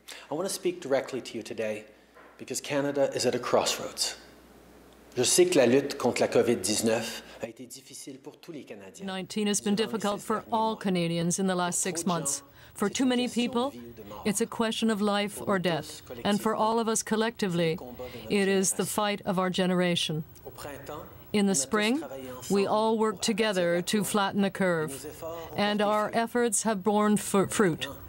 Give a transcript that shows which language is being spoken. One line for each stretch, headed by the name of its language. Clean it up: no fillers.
English: I want to speak directly to you today because Canada is at a crossroads.
French: Je sais que la lutte contre la COVID-19 a été difficile pour tous les Canadiens.
English: 19 has been difficult for all Canadians in the last 6 months. For too many people, it's a question of life or death. And for all of us collectively, it is the fight of our generation. In the spring, we all worked together to flatten the curve, and our efforts have borne fruit.